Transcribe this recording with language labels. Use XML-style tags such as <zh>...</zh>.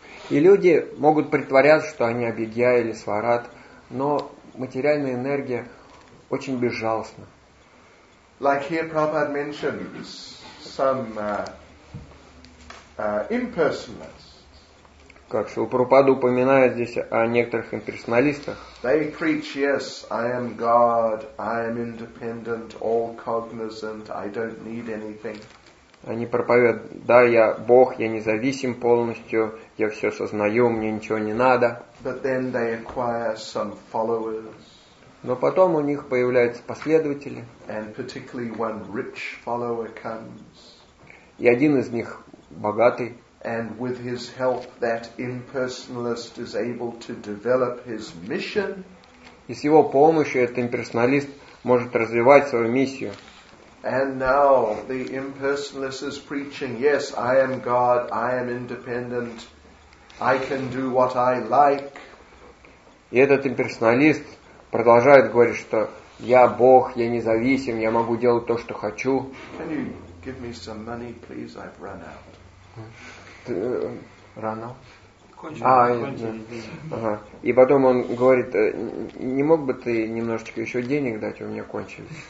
<ru>И люди могут притворяться, что они абхигья или сварат, но материальная энергия очень безжалостна.</ru> <en>Like here Prabhupada mentions some impersonal.</en> <ru>Как Шрила Прабхупада упоминает здесь о некоторых имперсоналистах.</ru> <en>They preach, yes, I am God, I am independent, all cognizant, I don't need anything.</en> <ru>Они проповедуют, да, я Бог, я независим полностью, я все сознаю, мне ничего не надо.</ru> <en>But then they acquire some followers.</en> <ru>Но потом у них появляются последователи.</ru> <en>And particularly one rich follower comes.</en> <ru>И один из них богатый.</ru> <en>And with his help, that impersonalist is able to develop his mission.</en> <ru>И с его помощью этот имперсоналист может развивать свою миссию.</ru> <en>And now the impersonalist is preaching, yes, I am God, I am independent, I can do what I like.</en> <ru>И этот имперсоналист продолжает говорить, что я Бог, я независим, я могу делать то, что хочу.</ru> <en>Can you give me some money, please? I've run out.</en> <ru>Рано. Кончено. И потом он говорит, не мог бы ты немножечко еще денег дать, у меня кончились.</ru>